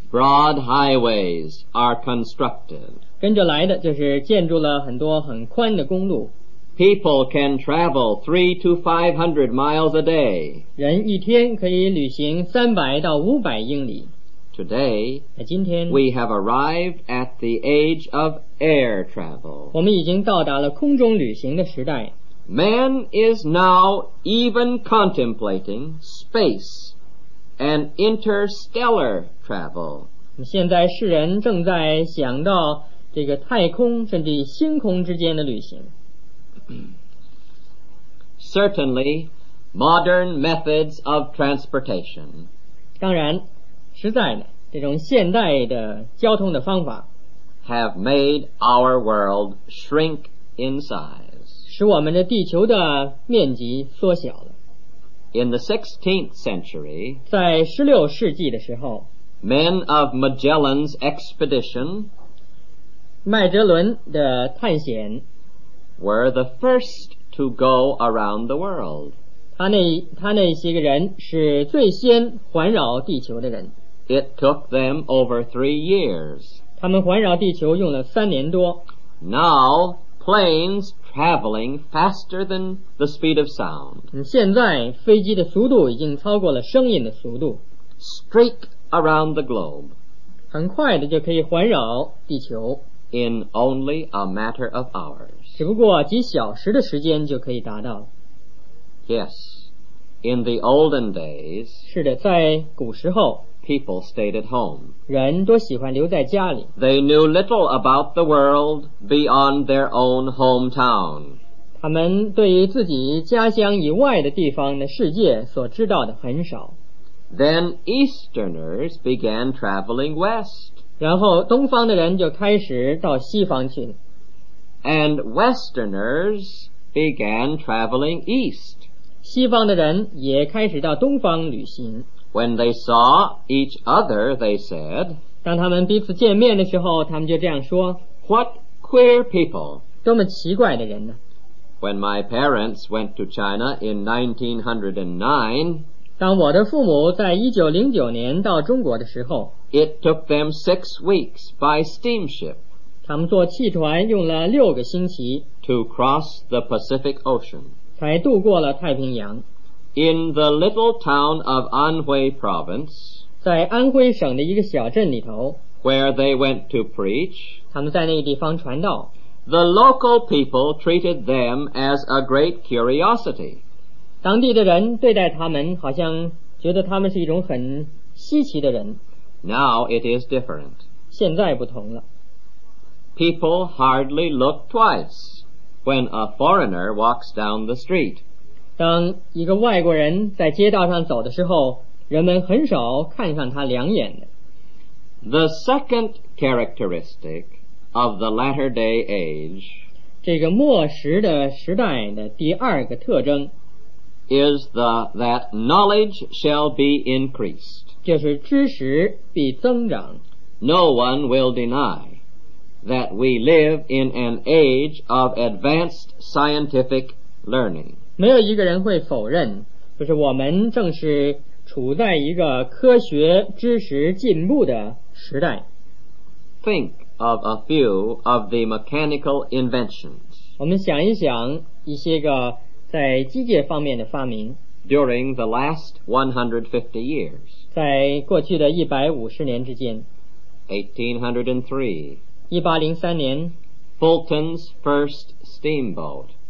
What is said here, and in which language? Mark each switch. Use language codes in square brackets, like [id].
[en] broad highways are constructed, [zh] 跟着来的就是建筑了很多很宽的公路 [en] people can travel 300 to 500 miles a day, [zh] 人一天可以旅行300到500英里 [en] Today, [zh] 今天 [en] we have arrived at the age of air travel. [zh] 我们已经到达了空中旅行的时代。 [en] Man is now even contemplating space and interstellar travel. [zh] 现在世人正在想到这个太空甚至星空之间的旅行。 [en] Certainly, modern methods of transportation. [zh] 当然实在的这种现代的交通的方法 [en] have made our world shrink in size [zh] 使我们的地球的面积缩小了 [en] in the 16th century [zh] 在16世纪的时候 [en] men of Magellan's expedition [zh] 麦哲伦的探险 [en] were the first to go around the world [zh] 他那些个人是最先环绕地球的人 [en] It took them over 3 years. [zh] 他们环绕地球用了三年多。 [en] Now, planes traveling faster than the speed of sound. [zh] 现在飞机的速度已经超过了声音的速度。 [en] Streak around the globe. [zh] 很快的就可以环绕地球。 [en] In only a matter of hours. [zh] 只不过几小时的时间就可以达到。 [en] Yes, in the olden days. [zh] 是的，在古时候。 [en] People stayed at home. [zh] 人都喜欢留在家里。 [en] They knew little about the world beyond their own hometown. [zh] 他们对于自己家乡以外的地方的世界所知道的很少。 [en] Then Easterners began traveling west. [zh] 然后东方的人就开始到西方去了。 [en] And Westerners began traveling east. [zh] 西方的人也开始到东方旅行。 [en] When they saw each other, they said, [zh] 当他们彼此见面的时候，他们就这样说， [en] What queer people! [zh] 多么奇怪的人呢？ [en] When my parents went to China in 1909, [zh] 当我的父母在1909年到中国的时候 [en] It took them 6 weeks by steamship [zh] 他们坐汽船用了6个星期 [en] To cross the Pacific Ocean [zh] 才渡过了太平洋 [en] In the little town of Anhui Province [zh] 在安徽省的一个小镇里头 [en] Where they went to preach [zh] 他们在那个地方传道 [en] The local people treated them as a great curiosity [zh] 当地的人对待他们好像觉得他们是一种很稀奇的人 [en] Now it is different [zh] 现在不同了 [en] People hardly look twice when a foreigner walks down the street [zh] 当一个外国人在街道上走的时候人们很少看上他两眼的 [en] The second characteristic of the latter day age [zh] 这个末时的时代的第二个特征 [en] is the that knowledge shall be increased [zh] 就是知识必增长 [en] No one will deny that we live in an age of advanced scientific learning [zh] 没有一个人会否认就是我们正是处在一个科学知识进步的时代 [en] Think of a few of the mechanical inventions [zh] 我们想一想一些个在机械方面的发明 [en] during the last 150 years [zh] 在过去的150年之间 [en] 1803 Fulton's first steamboat